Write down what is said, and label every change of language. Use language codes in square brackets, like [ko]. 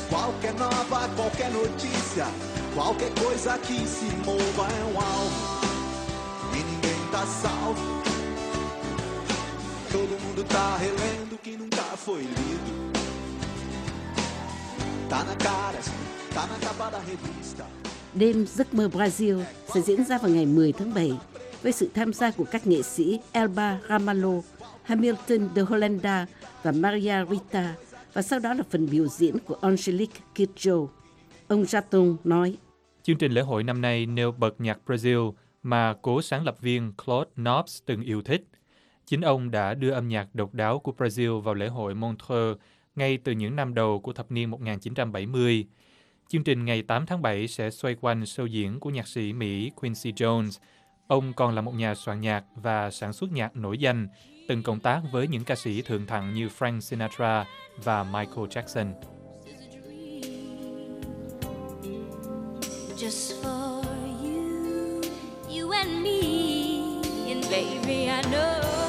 [pt] Qualquer nova, qualquer notícia, qualquer coisa que se mova é um alvo. E ninguém tá salvo. Todo mundo tá relendo o que nunca foi lido. Tá na cara, tá na capa da revista. [vi] Đêm Giấc Mơ Brasil sẽ diễn ra vào ngày 10 tháng 7 với sự tham gia của các nghệ sĩ Elba Ramalho, Hamilton de Holanda và Maria Rita, và sau đó là phần biểu diễn của Angelique Kidjo. Ông Jaton nói: "Chương trình lễ hội năm nay nêu bật nhạc Brazil mà cố sáng lập viên Claude Knops từng yêu thích. Chính ông đã đưa âm nhạc độc đáo của Brazil vào lễ hội Montreux ngay từ những năm đầu của thập niên 1970. Chương trình ngày 8 tháng 7 sẽ xoay quanh show diễn của nhạc sĩ Mỹ Quincy Jones. Ông còn là một nhà soạn nhạc và sản xuất nhạc nổi danh, từng cộng tác với những ca sĩ thượng thặng như Frank Sinatra và Michael Jackson. [en] Just for you, you and me, and baby I know.